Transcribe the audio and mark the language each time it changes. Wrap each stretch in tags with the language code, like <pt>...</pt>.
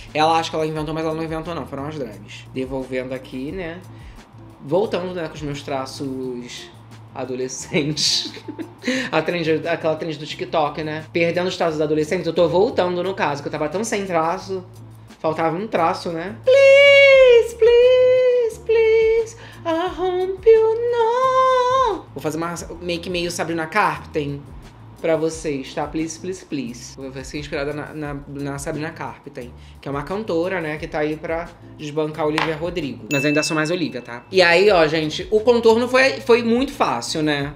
<pt>Ela acha que ela inventou, mas ela não inventou, não. Foram as drags. Devolvendo aqui, né? Voltando, né, com os meus traços adolescentes. aquela trend do TikTok, né? Perdendo os traços adolescentes, eu tô voltando, no caso, que eu tava tão sem traço. Faltava um traço, né?</pt> <en>Please, please, please, I hope you know.</en> <pt>Vou fazer uma make meio Sabrina Carpenter pra vocês, tá?</pt> <en>Please, please, please.</en> <pt>Vai ser inspirada na Sabrina Carpenter, que é uma cantora, né? Que tá aí pra desbancar a Olivia Rodrigo. Mas ainda sou mais Olivia, tá? E aí, ó, gente, o contorno foi muito fácil, né?</pt>